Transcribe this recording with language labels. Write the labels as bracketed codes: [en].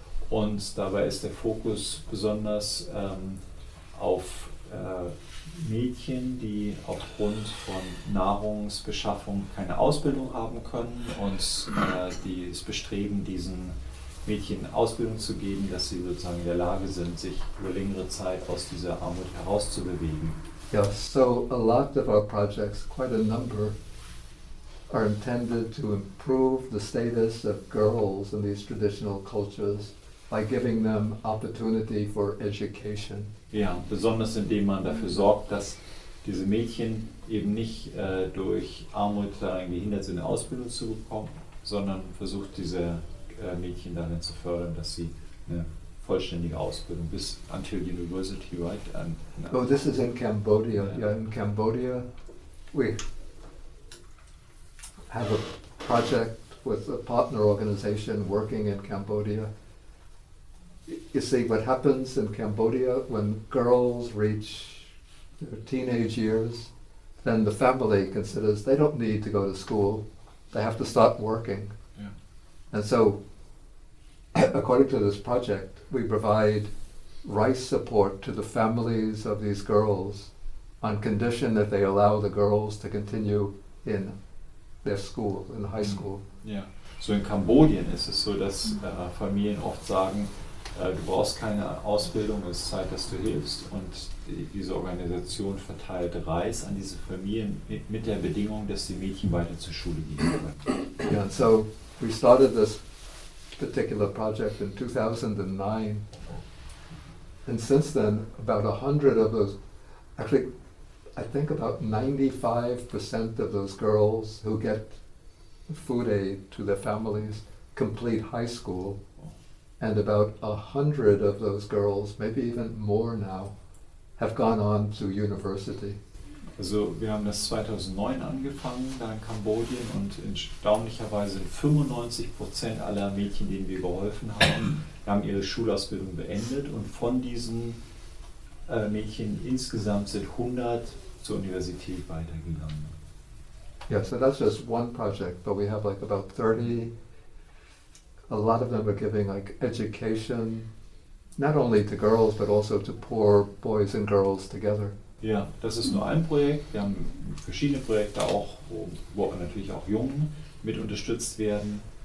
[de] Und dabei ist der Fokus besonders auf Mädchen, die aufgrund von Nahrungsbeschaffung keine Ausbildung haben können und die es bestreben, diesen Mädchen Ausbildung zu geben, dass sie sozusagen in der Lage sind, sich über längere Zeit aus dieser Armut herauszubewegen. [en] Yeah, so a lot of our projects, quite a number, are intended to improve the status of girls in these traditional cultures by giving them opportunity for education. [de] Ja, besonders indem man dafür sorgt, dass diese Mädchen eben nicht durch Armut daran gehindert sind, eine Ausbildung zu bekommen, sondern versucht, diese Mädchen darin zu fördern, dass sie eine vollständige Ausbildung bis [en] until university, right? And, oh, this is in Cambodia. Yeah, in Cambodia, we have a project with a partner organization working in Cambodia. You see, what happens in Cambodia when girls reach their teenage years, then the family considers they don't need to go to school, they have to start working. Yeah. And so, according to this project, we provide rice support to the families of these girls on condition that they allow the girls to continue in their school, in high school. Yeah. [de] So in Cambodian ist es so, dass Familien oft sagen, du brauchst keine Ausbildung, es ist Zeit, dass du hilfst. Und diese Organisation verteilt Reis an diese Familien mit der Bedingung, dass die Mädchen weiter zur Schule gehen können. [en] Yeah, so we started this particular project in 2009. And since then, about 100 of those, actually, I think about 95% of those girls who get food aid to their families complete high school. And about 100 of those girls, maybe even more now, have gone on to university. [de] Also wir haben das 2009 angefangen, da in Kambodschien, und erstaunlicherweise sind 95% aller Mädchen, denen wir geholfen haben, haben ihre Schulausbildung beendet, und von diesen Mädchen insgesamt sind 100 zur Universität weitergegangen. [en] Yeah, so that's just one project, but we have like about 30. A lot of them are giving like education, not only to girls, but also to poor boys and girls together. [de] Ja, das ist nur ein Projekt. Wir haben verschiedene Projekte auch, wo natürlich auch Jungen mit unterstützt werden.